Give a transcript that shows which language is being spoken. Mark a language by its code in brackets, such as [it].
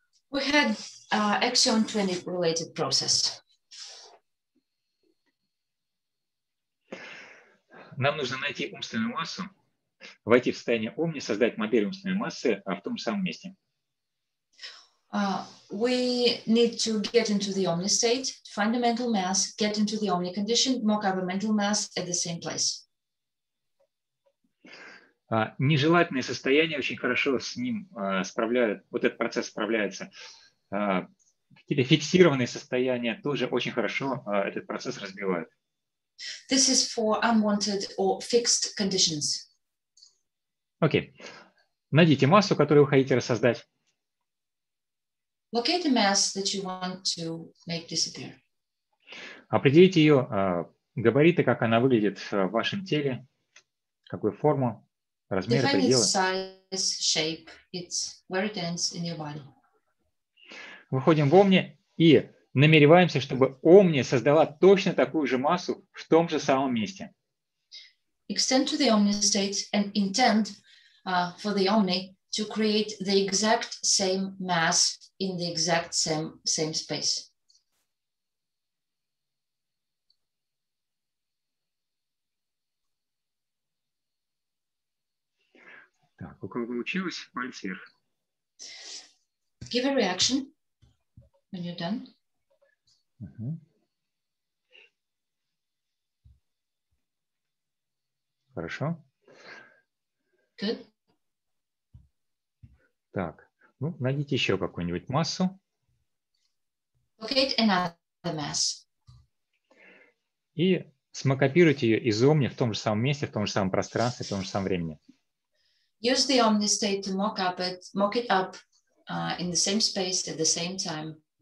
[en] We had axiom 20 related process. [ru] Нам нужно найти умственную массу, войти в состояние Omni, создать модель умственной массы в том самом месте. [en] We need to get into the Omni state, find a mental mass, get into the Omni condition, mock up a mental mass at the same place. [ru] Нежелательные состояния очень хорошо с ним справляют, вот этот процесс справляется. Какие-то фиксированные состояния тоже очень хорошо этот процесс разбивают. [en] This is for unwanted or fixed conditions. Окей. Okay. [ru] Найдите массу, которую вы хотите рассоздать. [en] Locate the mass that you want to make disappear. [ru] Определите ее габариты, как она выглядит в вашем теле, какую форму. Размер [en] define its size, shape, it's where it ends in your body. [ru] выходим в Омни и намереваемся, чтобы Омни создала точно такую же массу в том же самом месте. [en] Extend to the Omni state and intend for the Omni to create the exact same mass in the exact same space. [ru] Так, у кого получилось, пальцы вверх. [en] Give a reaction when you're done. [ru] Хорошо. [en] Good. [ru] Так, ну, найдите еще какую-нибудь массу. [en] Locate another mass. [ru] И смокопируйте ее из Омни в том же самом месте, в том же самом пространстве, в том же самом времени. [en] Use the Omni state to mock it up in the same space at the same time.